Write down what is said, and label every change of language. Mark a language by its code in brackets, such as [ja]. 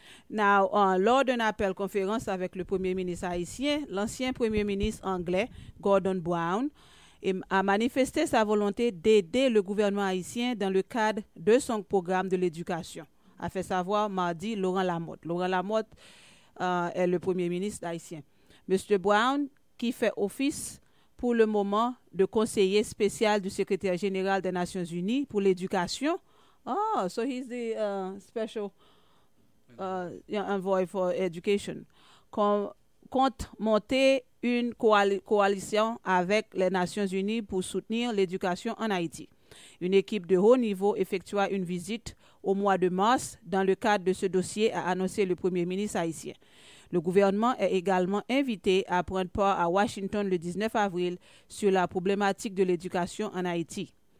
[fr] Now, lors d'un appel conférence avec le premier ministre haïtien, l'ancien premier ministre anglais Gordon Brown a manifesté sa volonté d'aider le gouvernement haïtien dans le cadre de son programme de l'éducation. A fait savoir mardi Laurent Lamothe. Laurent Lamothe est le premier ministre haïtien. Monsieur Brown, qui fait office pour le moment de conseiller spécial du secrétaire général des Nations Unies pour l'éducation. [en] Oh, so he's the special envoy for education. [fr] Compte monter une coalition avec les Nations Unies pour soutenir l'éducation en Haïti. Une équipe de haut niveau effectuera une visite au mois de mars, dans le cadre de ce dossier, a annoncé le premier ministre haïtien. Le gouvernement est également invité à prendre part à Washington le 19 avril sur la problématique de l'éducation en Haïti.